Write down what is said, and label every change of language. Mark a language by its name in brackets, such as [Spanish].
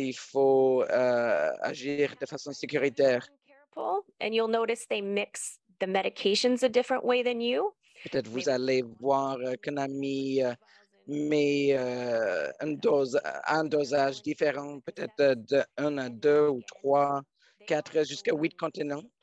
[French] Il faut agir de façon sécuritaire. [English] And you'll notice they mix the medications a different way than you. [French] Peut-être vous allez voir qu'un ami met un dosage différent, peut-être de 1 à 2 ou 3, 4 jusqu'à 8 contenants.